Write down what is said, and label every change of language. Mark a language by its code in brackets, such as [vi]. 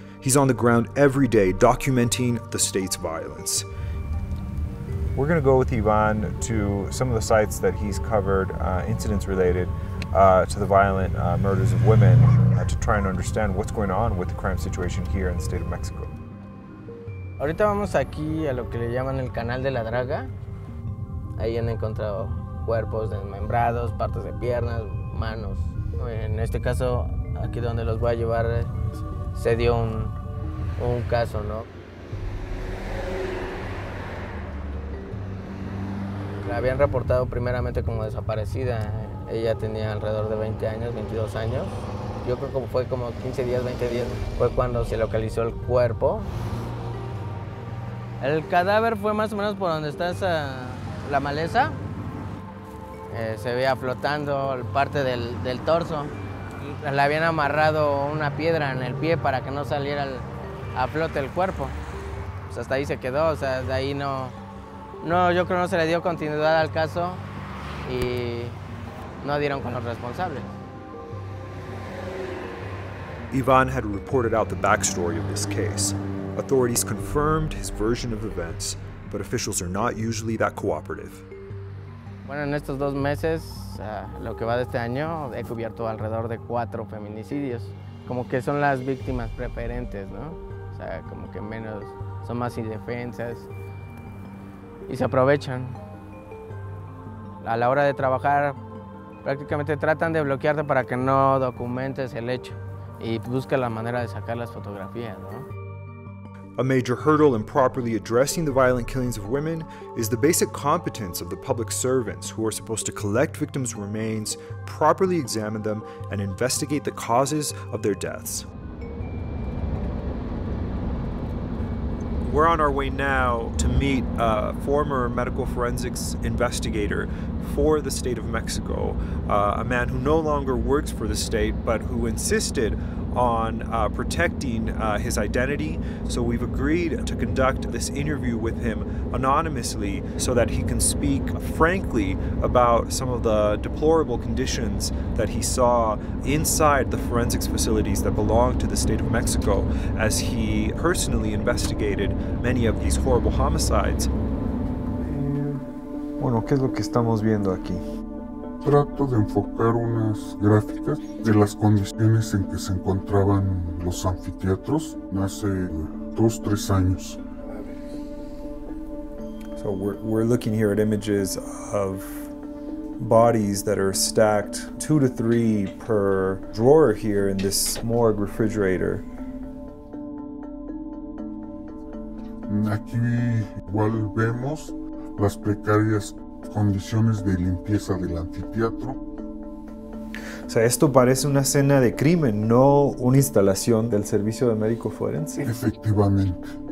[en] He's on the ground every day documenting the state's violence. We're gonna go with Ivan to some of the sites that he's covered, incidents related to the violent murders of women, to try and understand what's going on with the crime situation here in the state of Mexico. [es] Ahorita vamos aquí a lo que le llaman el canal de la draga. Ahí han encontrado cuerpos desmembrados, partes de piernas, manos. En este caso, aquí donde los voy a llevar, se dio un caso, ¿no? La habían reportado primeramente como desaparecida. Ella tenía alrededor de 20 años, 22 años. Yo creo que fue como 15 días, 20 días, fue cuando se localizó el cuerpo. El cadáver fue más o menos por donde está esa, la maleza. Se veía flotando parte del torso. La habían amarrado una piedra en el pie para que no saliera a flote el cuerpo. Pues hasta ahí se quedó, o sea, de ahí no, yo creo que no se le dio continuidad al caso y no dieron con los responsables. [en] Ivan had reported out the backstory of this case. Authorities confirmed his version of events, but officials are not usually that cooperative. [es] Bueno, en estos dos meses, lo que va de este año, he cubierto alrededor de 4 feminicidios. Como que son las víctimas preferentes, ¿no? O sea, como que menos, son más indefensas y se aprovechan. A la hora de trabajar, prácticamente tratan de bloquearte para que no documentes el hecho. Y busca la manera de sacar las fotografías, ¿no? [en] A major hurdle in properly addressing the violent killings of women is the basic competence of the public servants who are supposed to collect victims' remains, properly examine them, and investigate the causes of their deaths. We're on our way now to meet a former medical forensics investigator for the state of Mexico, a man who no longer works for the state, but who insisted on protecting his identity. So we've agreed to conduct this interview with him anonymously so that he can speak frankly about some of the deplorable conditions that he saw inside the forensics facilities that belong to the state of Mexico as he personally investigated many of these horrible homicides. [es] Bueno, ¿qué es lo que estamos viendo aquí? Trato de enfocar unas gráficas de las condiciones en que se encontraban los anfiteatros hace 2-3 años. [en] So we're looking here at images of bodies that are stacked 2 to 3 per drawer here in this morgue refrigerator. [es] Aquí igual vemos las precarias condiciones de limpieza del anfiteatro. O sea, esto parece una escena de crimen, no una instalación del servicio de médico forense. Efectivamente.